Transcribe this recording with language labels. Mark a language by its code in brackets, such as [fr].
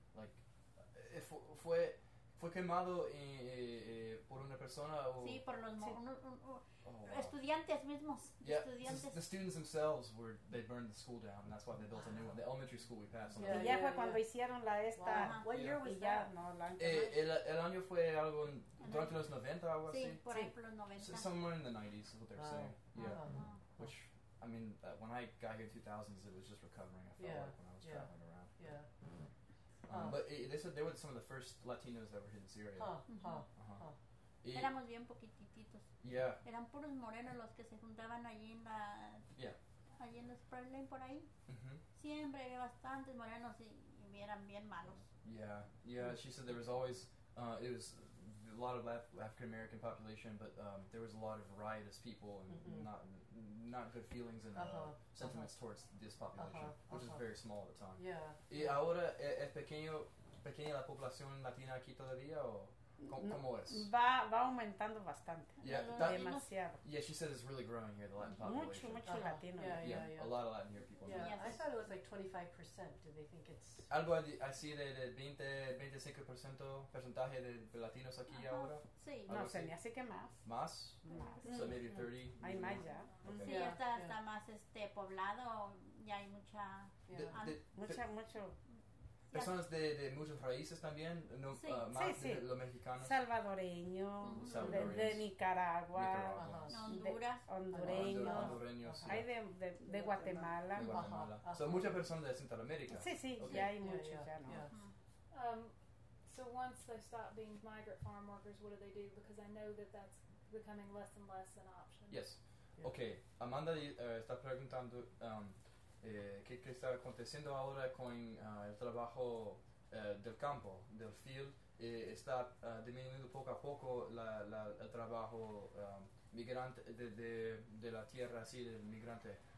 [es] Like, fue quemado por una persona o... Sí, por los... Sí. [en] Oh, wow. [es] Estudiantes mismos. [en] Yeah. [es] Estudiantes. [en] The students themselves were, they burned the school down, and that's why they built a new one. The elementary school we passed on. [es] Y ya fue cuando hicieron la esta. [en] What year was yeah. that? [es] No, el año fue algo en, durante los 90 o algo así. Sí, por ejemplo, los 90. [en] Somewhere in the 90s is what they're wow. saying. Yeah. Wow. Which, I mean, when I got here in 2000s, it was just recovering, I felt yeah. like, when I was yeah. traveling around. Yeah. But they said they were some of the first Latinos that were hit in Syria. Huh. Uh-huh. Huh. [es] Éramos bien poquititos. [en] Yeah. [es] Eran puros morenos los que se juntaban allí en la... [en] Yeah. [es] Allí en la Spring Lane, por ahí. Mm-hmm. Siempre había bastantes morenos y eran bien malos. [en] Yeah. Yeah, she said there was always... it was a lot of African-American population, but there was a lot of riotous people and mm-hmm. not good feelings and sentiments towards this population, uh-huh. which uh-huh. is very small at the time. Yeah. [es] ¿Y ahora es pequeña la población latina aquí todavía o...? ¿Cómo es? Va aumentando bastante. [en] Yeah, [es] demasiado. [en] Yeah, she said it's really growing here, the Latin population. [es] Mucho, mucho uh-huh. latino. [en] Yeah, yeah, yeah, yeah. A lot of Latin here people. Yeah, yes. I thought it was like 25%. Do they think it's... [es] Algo así de 20-25% porcentaje de latinos aquí uh-huh. ahora. Sí. Algo no, así. Se me hace que más. ¿Más? Más. [en] So maybe 30. [es] Hay más ya. [en] Okay. [es] Sí, [en] yeah. [es] está hasta más poblado. Ya hay mucha... [en] Yeah. [es] Mucho... Personas de muchos países también, no, sí. Más sí, sí. de los mexicanos. Salvadoreño, mm-hmm. de Nicaragua, Nicaragua. Uh-huh. Hondureños, uh-huh. hondureños uh-huh. Sí. hay de Guatemala. De Guatemala. Uh-huh. Uh-huh. So, muchas personas de Centroamérica. Sí, sí, [en] okay. [es] ya hay [en] yeah, [es] muchos, [en] yeah. [es] ya no. [en] Yeah. So, once they stop being migrant farm workers, what do? Because I know that's becoming less and less an option. Yes. Yeah. [es] Okay. Amanda está preguntando... ¿Qué está aconteciendo ahora con el trabajo del campo, del field? ¿Está disminuyendo poco a poco el trabajo migrante de la tierra, así del migrante?